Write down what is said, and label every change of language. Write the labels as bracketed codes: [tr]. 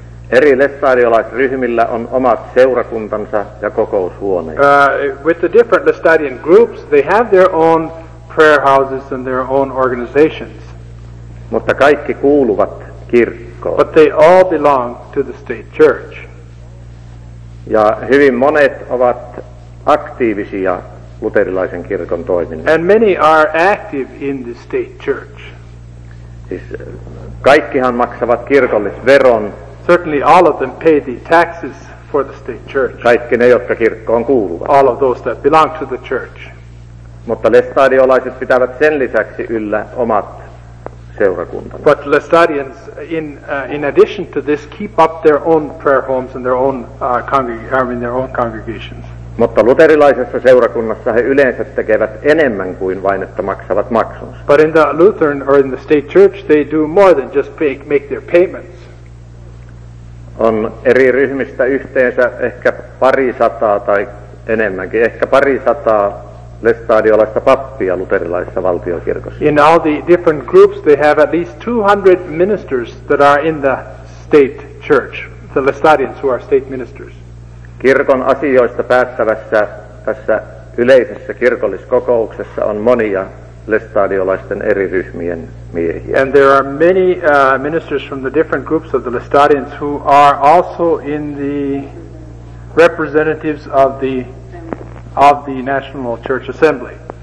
[fi] Eri lestadiolaisryhmillä on omat seurakuntansa ja kokoushuoneet. [en] With the different Lestadian groups, they have their own prayer houses and their own organizations. [fi] Mutta kaikki kuuluvat kirkkoon. [en] But they all belong to the state church. [fi] Ja hyvin monet ovat aktiivisia luterilaisen kirkon toiminnassa. [en] And many are active in the state church. [fi] Siis kaikkihan maksavat kirkollisveron. [en] Certainly all of them pay the taxes for the state church. [fi] Kaikki ne, jotka kirkkoon kuuluvat. [en] All of those that belong to the church. [fi] Mutta lestadiolaiset pitävät sen lisäksi yllä omat seurakuntansa. [en] But Lestadians, in addition to this, keep up their own prayer homes and their own congregations. [fi] Mutta luterilaisessa seurakunnassa he yleensä tekevät enemmän kuin vain, että maksavat maksunsa. [en] But in the Lutheran or in the state church, they do more than just make their payments. [fi] On eri ryhmistä yhteensä ehkä pari sataa tai enemmänkin, ehkä pari sataa lestadiolaista pappia luterilaisessa valtiokirkossa. [en] In all the different groups, they have at least 200 ministers that are in the state church, the Lestadians who are state ministers. [fi] Kirkon asioista päättävässä tässä yleisessä kirkolliskokouksessa on monia lestadiolaisten eri ryhmien miehiä. [en] And there are many ministers from the different groups of the Lestadians who are also in the representatives of the National Church Assembly.